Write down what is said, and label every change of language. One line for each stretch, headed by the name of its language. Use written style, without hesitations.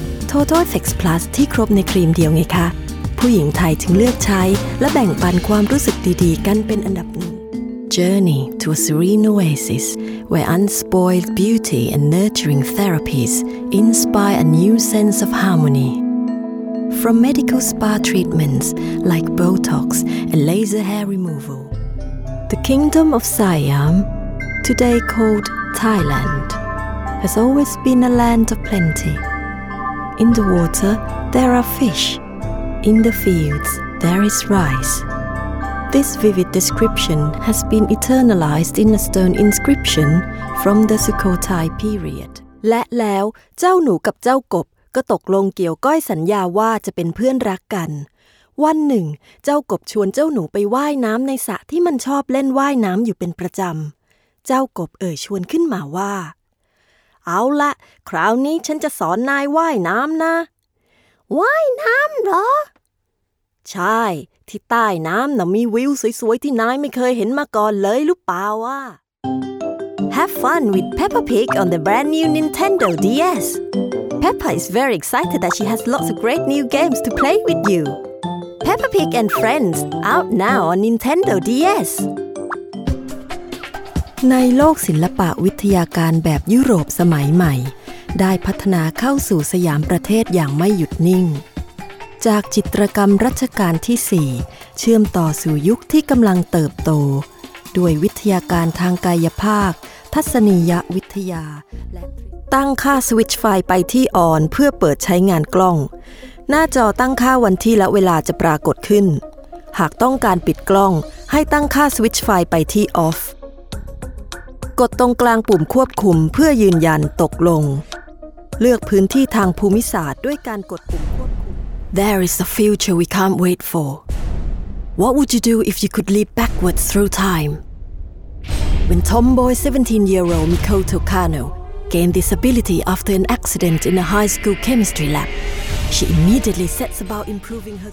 English: Total Sex Plus
Thai: ที่ครบในครีมเดียวไงคะผู้หญิงไทยถึงเลือกใช้และแบ่งปันความรู้สึกดีๆกันเป็นอันดับหนึ่ง
English: Journey to a Serene Oasis where unspoiled beauty and nurturing therapies inspire a new sense of harmony from medical spa treatments like Botox and laser hair removal the kingdom of SiamToday called Thailand has always been a land of plenty. In the water, there are fish. In the fields, there is rice. This vivid description has been eternalized in a stone inscription from the Sukhothai period.
Thai: และแล้วเจ้าหนูกับเจ้ากบก็ตกลงเกี่ยวก้อยสัญญาว่าจะเป็นเพื่อนรักกันวันหนึ่งเจ้ากบชวนเจ้าหนูไปว่ายน้ำในสระที่มันชอบเล่นว่ายน้ำอยู่เป็นประจำเจ้ากบเอ่ยชวนขึ้นมาว่าเอาละคราวนี้ฉันจะสอนนายว่ายน้ำนะ ว่ายน้ำเหรอ ใช่ที่ใต้น้ำน่ะมีวิวสวยๆที่นายไม่เคยเห็นมาก่อนเลยหรือเปล่าวะ
English: Have fun with Peppa Pig on the brand new Nintendo DS. Peppa is very excited that she has lots of great new games to play with you. Peppa Pig and Friends out now on Nintendo DS.
Thai: ในโลกศิลปะวิทยาการแบบยุโรปสมัยใหม่ได้พัฒนาเข้าสู่สยามประเทศอย่างไม่หยุดนิ่งจากจิตรกรรมรัชกาลที่4เชื่อมต่อสู่ยุคที่กำลังเติบโต ด้วยวิทยาการทางกายภาคทัศนียวิทยาและตั้งค่าสวิตช์ไฟไปที่อ่อนเพื่อเปิดใช้งานกล้องหน้าจอตั้งค่าวันที่และเวลาจะปรากฏขึ้นหากต้องการปิดกล้องให้ตั้งค่าสวิตช์ไฟไปที่ออฟกดตรงกลางปุ่มควบคุมเพื่อยืนยันตกลงเลือกพื้นที่ทางภูมิศาสตร์ด้วยการกดปุ่มควบคุม
English: There is a future we can't wait for. What would you do if you could leap backwards through time? When tomboy 17-year-old Mikoto Kano gained this ability after an accident in a high school chemistry lab, she immediately sets about improving her...